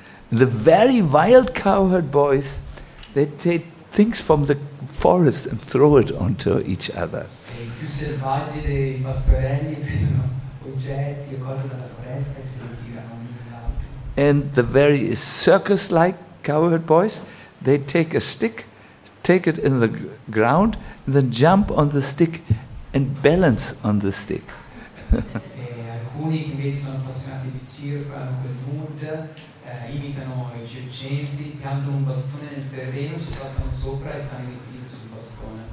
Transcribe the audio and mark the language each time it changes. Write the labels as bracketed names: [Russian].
[English] The very wild cowherd boys, they take things from the forest and throw it onto each other. [Italian] Più selvaggi dei pastorelli prendono oggetti o cose dalla foresta e se li tirano uno nell'altro. [English] And the very circus-like cowherd boys, they take a stick, take it in the ground, and then jump on the stick and balance on the stick. [Italian] Alcuni che invece sono appassionati di circo hanno quel mood, imitano i circensi, piantano un bastone nel terreno, ci saltano sopra e stanno in equilibrio sul bastone.